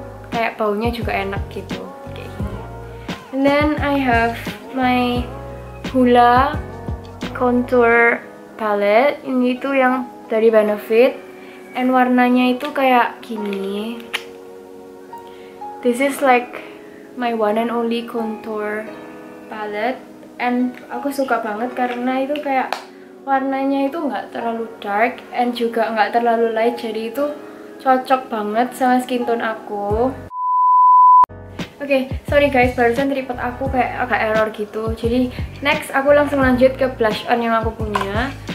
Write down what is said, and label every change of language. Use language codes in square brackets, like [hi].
[id] Kayak baunya juga enak gitu. Kayak gini. [en] And then I have my Hoola contour palette. [id] Ini itu yang dari Benefit and warnanya itu kayak gini. [en] This is like my one and only contour palette. [id] And aku suka banget karena itu kayak warnanya itu nggak terlalu dark and juga nggak terlalu light, jadi itu cocok banget sama skin tone aku. Okay, sorry guys, barusan tripod aku kayak agak error gitu. Jadi next aku langsung lanjut ke blush on yang aku punya.